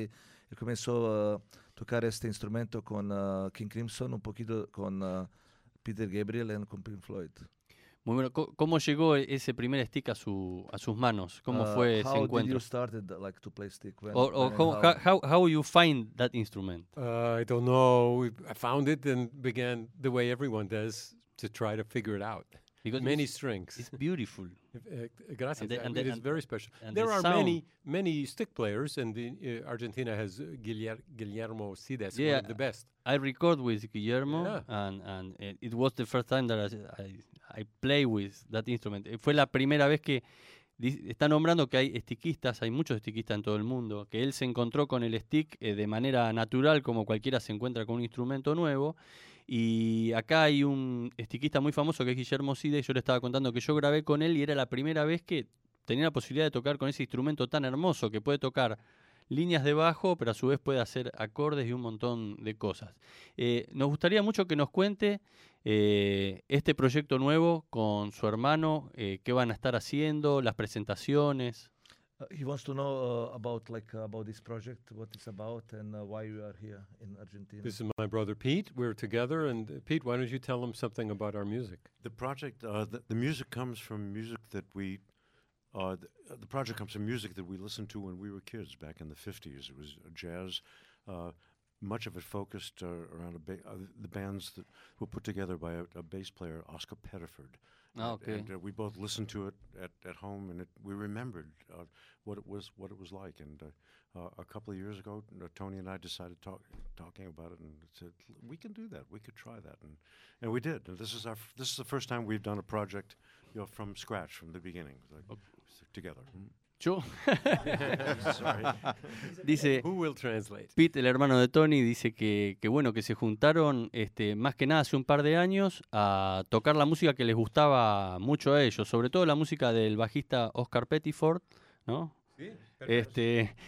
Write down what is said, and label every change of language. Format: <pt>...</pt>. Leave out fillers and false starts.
<it>E comincio a toccare questo strumento con King Crimson, un pochino con Peter Gabriel e con Pink Floyd.</it> <es>Muy bueno. ¿Cómo llegó ese primer stick a sus manos? ¿Cómo fue ese encuentro?</es> <en>How did you started like to play stick? When, or how you find that instrument? I don't know. I found it and began the way everyone does to try to figure it out. Because many strings. It's beautiful. Gracias. It is very special. There are many stick players, and Argentina has Guillermo Sides, yeah, one of the best. I record with Guillermo, yeah. and it was the first time that I play with that instrument.</en> <es>Fue la primera vez que está nombrando que hay estiquistas, hay muchos estiquistas en todo el mundo, que él se encontró con el stick de manera natural, como cualquiera se encuentra con un instrumento nuevo. Y acá hay un estiquista muy famoso que es Guillermo Sides. Yo le estaba contando que yo grabé con él y era la primera vez que tenía la posibilidad de tocar con ese instrumento tan hermoso que puede tocar líneas de bajo, pero a su vez puede hacer acordes y un montón de cosas. Nos gustaría mucho que nos cuente este proyecto nuevo con su hermano, qué van a estar haciendo, las presentaciones.</es> <en>He wants to know about this project, what it's about, and why you are here in Argentina. This is my brother Pete. We're together, and Pete, why don't you tell him something about our music? The project, the music comes from music that we, the project comes from music that we listened to when we were kids back in the 50s. It was jazz, much of it focused around the bands that were put together by a bass player, Oscar Pettiford. Oh, okay. And we both listened to it at home, and we remembered what it was like. And a couple of years ago, Tony and I decided talking about it, and said we can do that. We could try that, and we did. And this is the first time we've done a project, you know, from scratch, from the beginning, together.</en> <es>Yo. Dice,</es> <en>who will translate?</en> <es>Pete, el hermano de Tony, dice que bueno, que se juntaron más que nada hace un par de años a tocar la música que les gustaba mucho a ellos, sobre todo la música del bajista Oscar Pettiford, ¿no? Sí.</es>